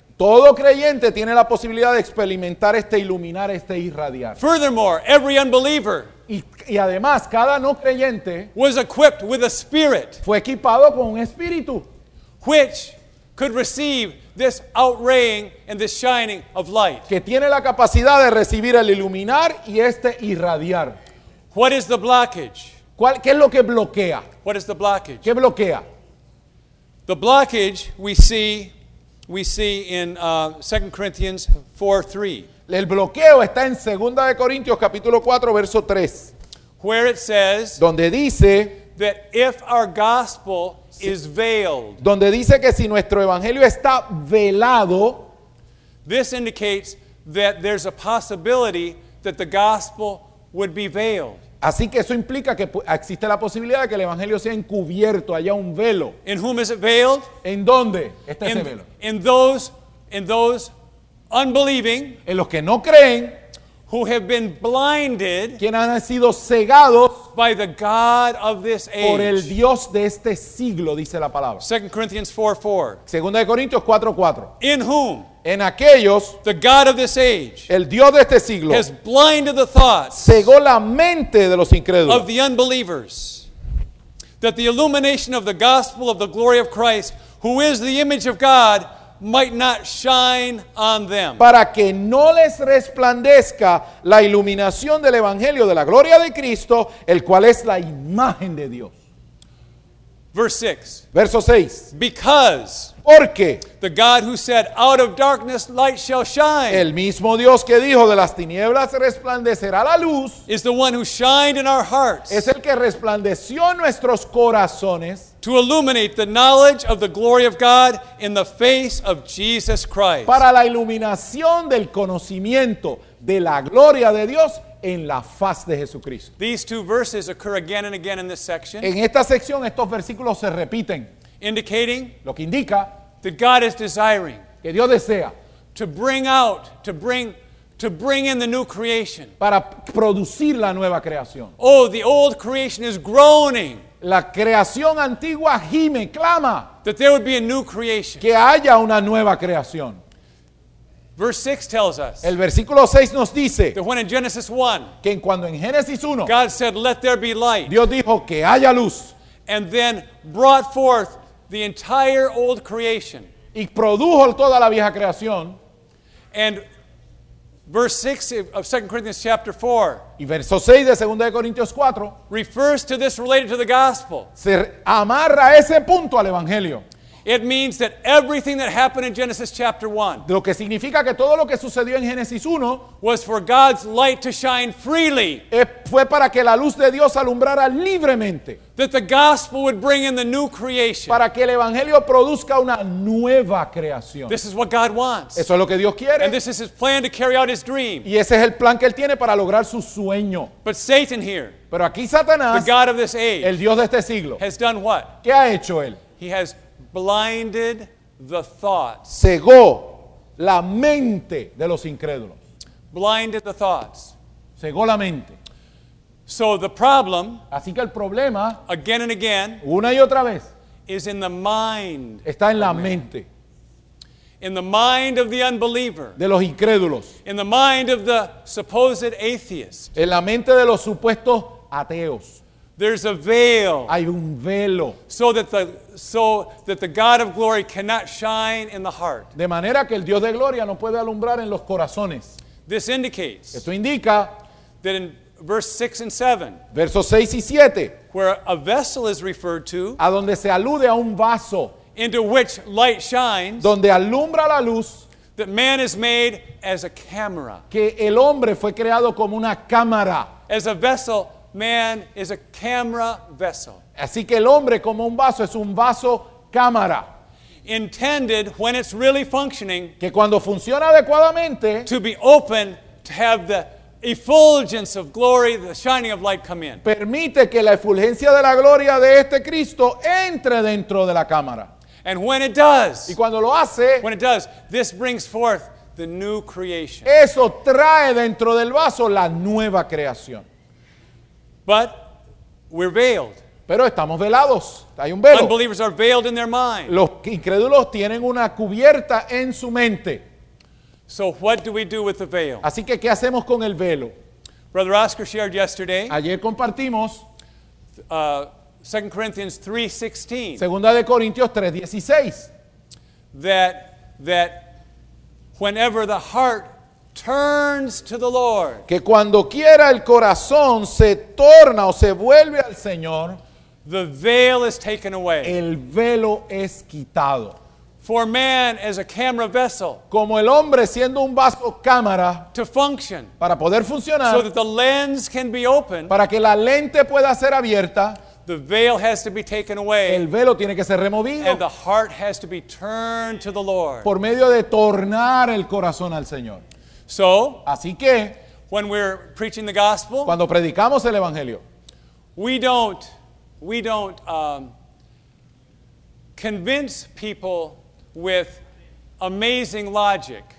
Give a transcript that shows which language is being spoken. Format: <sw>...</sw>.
<es>Todo creyente tiene la posibilidad de experimentar este iluminar, este irradiar.</es> <en>Furthermore, every unbeliever,</en> <es>y además, cada no creyente,</es> <en>was equipped with a spirit,</en> <es>fue equipado con un espíritu,</es> <en>which could receive this outraying and this shining of light,</en> <es>que tiene la capacidad de recibir el iluminar y este irradiar.</es> <en>What is the blockage?</en> <es>¿Qué es lo que bloquea?</es> <en>What is the blockage?</en> <es>¿Qué bloquea?</es> <en>The blockage we see. We see in 2 Corinthians 4:3.</en> <es>El bloqueo está en 2 de Corintios capítulo 4 verso 3.</es> <en>Where it says,</en> <es>donde dice,</es> <en>that if our gospel is veiled.</en> <es>Donde dice que si nuestro evangelio está velado,</es> <en>This indicates that there's a possibility that the gospel would be veiled.</en> <es>Así que eso implica que existe la posibilidad de que el evangelio sea encubierto, haya un velo.</es> <en>In whom is it veiled?</en> <es>¿En dónde está ese velo?</es> <en>In those unbelieving,</en> <es>en los que no creen,</es> <en>who have been blinded,</en> <es>quien han sido cegados,</es> <en>by the God of this age,</en> <es>por el Dios de este siglo, dice la palabra.</es> <en>2 Corinthians 4:4. 2 Corinthians 4:4. In whom?</en> <es>En aquellos,</es> <en>the God of this age,</en> <es>el Dios de este siglo,</es> <en>has blinded the thoughts,</en> <es>cegó la mente de los incrédulos,</es> <en>of the unbelievers, that the illumination of the gospel of the glory of Christ, who is the image of God, might not shine on them.</en> <es>Para que no les resplandezca la iluminación del evangelio de la gloria de Cristo, el cual es la imagen de Dios.</es> <en>Verso 6. Because,</en> <es>porque,</es> <en>the God who said, out of darkness light shall shine,</en> <es>el mismo Dios que dijo, de las tinieblas resplandecerá la luz,</es> <en>is the one who shined in our hearts,</en> <es>es el que resplandeció en nuestros corazones,</es> <en>to illuminate the knowledge of the glory of God in the face of Jesus Christ,</en> <es>para la iluminación del conocimiento de la gloria de Dios en la faz de Jesucristo.</es> <en>These two verses occur again and again in this section.</en> <es>En esta sección estos versículos se repiten,</es> <en>indicating,</en> <es>lo que indica,</es> <en>that God is desiring,</en> <es>que Dios desea,</es> <en>to bring out, to bring in the new creation,</en> <es>para producir la nueva creación.</es> <en>Oh, the old creation is groaning.</en> <es>La creación antigua gime, clama.</es> <en>That there would be a new creation.</en> <es>Que haya una nueva creación.</es> <en>Verse 6 tells us.</en> <es>El versículo 6 nos dice.</es> <en>That when in Genesis 1.</en> <es>Que cuando en Génesis 1.</es> <en>God said, let there be light.</en> <es>Dios dijo que haya luz.</es> <en>And then brought forth the entire old creation.</en> <es>Y produjo toda la vieja creación.</es> <en>And verse 6 of 2 Corinthians chapter 4.</en> <es>Y verso 6 de 2 Corintios 4.</es> <en>Refers to this related to the gospel.</en> <es>Se amarra ese punto al evangelio.</es> <en>It means that everything that happened in Genesis chapter 1.</en> <es>Lo que significa que todo lo que sucedió en Génesis 1.</es> <en>Was for God's light to shine freely.</en> <es>Fue para que la luz de Dios alumbrara libremente.</es> <en>That the gospel would bring in the new creation.</en> <es>Para que el evangelio produzca una nueva creación.</es> <en>This is what God wants.</en> <es>Eso es lo que Dios quiere.</es> <en>And this is his plan to carry out his dream.</en> <es>Y ese es el plan que él tiene para lograr su sueño.</es> <en>But Satan here.</en> <es>Pero aquí Satanás.</es> <en>The God of this age.</en> <es>El Dios de este siglo.</es> <en>Has done what?</en> <es>¿Qué ha hecho él?</es> <en>He has blinded the thoughts.</en> <es>Cegó la mente de los incrédulos.</es> <en>Blinded the thoughts.</en> <es>Cegó la mente.</es> <en>So the problem,</en> <es>así que el problema,</es> <en>again and again,</en> <es>una y otra vez,</es> <en>is in the mind.</en> <es>Está en la mente.</es> <en>In the mind of the unbeliever.</en> <es>De los incrédulos.</es> <en>In the mind of the supposed atheist.</en> <es>En la mente de los supuestos ateos.</es> <en>There's a veil.</en> <es>Hay un velo.</es> <en>So that the God of glory cannot shine in the heart.</en> <es>De manera que el Dios de gloria no puede alumbrar en los corazones.</es> <en>This indicates.</en> <es>Esto indica.</es> <en>That in verse 6 and 7.</en> <es>Versos 6 y 7.</es> <en>Where a vessel is referred to.</en> <es>A donde se alude a un vaso.</es> <en>Into which light shines.</en> <es>Donde alumbra la luz.</es> <en>That man is made as a camera.</en> <es>Que el hombre fue creado como una cámara.</es> <en>As a vessel. Man is a camera vessel.</en> <es>Así que el hombre como un vaso es un vaso cámara.</es> <en>Intended when it's really functioning.</en> <es>Que cuando funciona adecuadamente.</es> <en>To be open to have the effulgence of glory, the shining of light come in.</en> <es>Permite que la efulgencia de la gloria de este Cristo entre dentro de la cámara.</es> <en>And when it does.</en> <es>Y cuando lo hace.</es> <en>When it does, this brings forth the new creation.</en> <es>Eso trae dentro del vaso la nueva creación.</es> <en>But we're veiled.</en> <es>Pero estamos velados. Hay un velo.</es> <en>Unbelievers are veiled in their mind.</en> <es>Los incrédulos tienen una cubierta en su mente.</es> <en>So what do we do with the veil?</en> <es>Así que, ¿qué hacemos con el velo?</es> <en>Brother Oscar shared yesterday.</en> <es>Ayer compartimos.</es> <en>2 Corinthians 3:16.</en> <es>Segunda de Corintios 3:16.</es> <en>That whenever the heart turns to the Lord.</en> <es>Que cuando quiera el corazón se torna o se vuelve al Señor.</es> <en>The veil is taken away.</en> <es>El velo es quitado.</es> <en>For man as a camera vessel.</en> <es>Como el hombre siendo un vaso cámara.</es> <en>To function.</en> <es>Para poder funcionar.</es> <en>So that the lens can be opened.</en> <es>Para que la lente pueda ser abierta.</es> <en>The veil has to be taken away.</en> <es>El velo tiene que ser removido.</es> <en>And the heart has to be turned to the Lord.</en> <es>Por medio de tornar el corazón al Señor.</es> <en>So,</en> <es>así que,</es> <en>when we're preaching the gospel,</en> <es>cuando predicamos el evangelio,</es> <en>we don't convince people with amazing logic.</en>